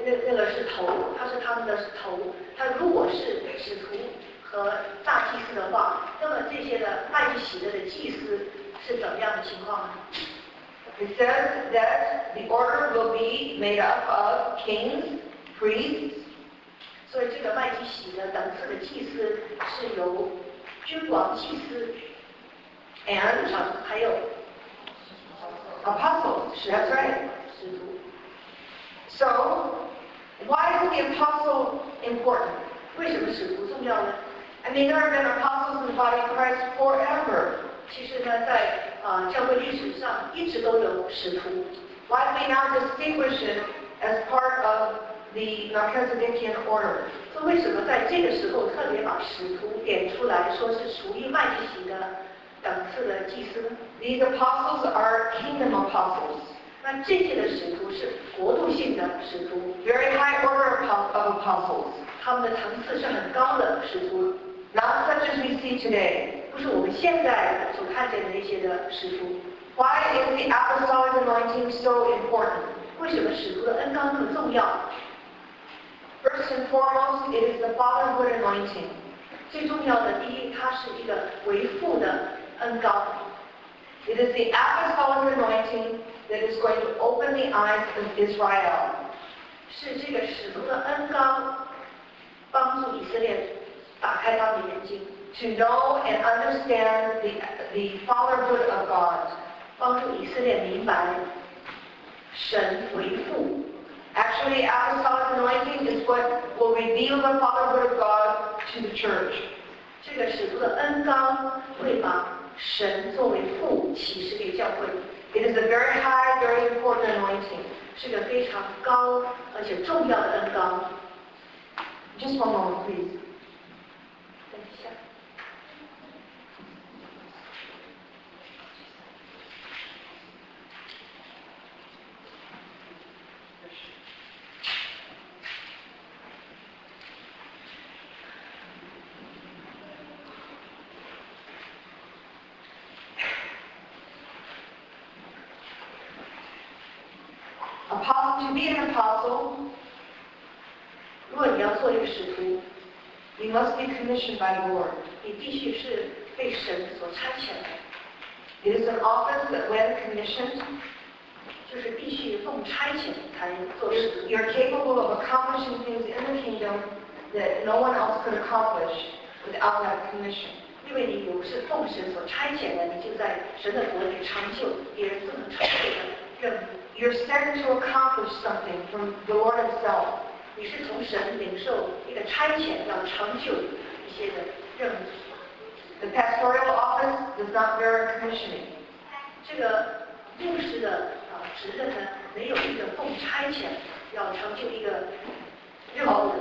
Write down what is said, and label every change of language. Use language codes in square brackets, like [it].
[zh] 那个是头，他是他们的头。他如果是使徒和大祭司的话，那么这些的爱与喜乐的祭司是怎么样的情况呢？ [en] He says that the order will be made up of kings, priests. [zh] 所以这个麦基洗的等次的祭司是由君王祭司 [en] and [zh] 还有 [en] apostles. That's right. [zh] 使徒 [en] So why is the apostle important? [zh] 为什么使徒重要呢？ [en] I mean, there have been apostles in the body of Christ forever. [zh] 其实呢，在教会历史上一直都有使徒。 [en] Why do we now distinguish it as part of the Melchizedekian order? [zh] 所以为什么在这个时候特别把使徒点出来，说是属于麦基洗德等次的祭司呢？ [en] These apostles are kingdom apostles. [zh] 那这些的使徒是国度性的使徒。 [en] Very high order of apostles. [zh] 他们的层次是很高的使徒。 [en] Not such as we see today. [zh] 就是我们现在所看见的那些的使徒。 [en] Why is the apostolic anointing so important? [zh] 为什么使徒的恩膏那么重要？ [en] First and foremost, it is the fatherhood anointing. [zh] 最重要的，第一，它是一个为父的恩膏。 [en] It is the apostolic anointing that is going to open the eyes of Israel. [zh] 是这个使徒的恩膏帮助以色列打开他们的眼睛。 [en] To know and understand the fatherhood of God, [zh] 帮助以色列明白神为父。 [en] Actually, apostolic anointing is what will reveal the fatherhood of God to the church. [zh] 这个使徒的恩膏会把神作为父启示给教会。 [en] It is a very high, very important anointing. [zh] 是个非常高而且重要的恩膏。 [en] Just one moment, please. To be an apostle, [zh] 如果你要做一个使徒 [en] you must be commissioned by the Lord. [zh] 你必须是被神所差遣的。 [en] It is an office that when commissioned, [zh] 就是必须奉差遣才做使徒。 [en] You're capable of accomplishing things in the kingdom that no one else could accomplish without that commission. [zh] 因为你有是奉神所差遣的，你就在神的国里成就别人不能成就的任务。 [en] You're sent to accomplish something from the Lord Himself. [zh] 你是从神领受一个差遣，要成就一些的任务。 [en] The pastoral office does not bear commissioning. [zh] 这个牧师的职任呢，没有一个奉差遣要成就一个任务。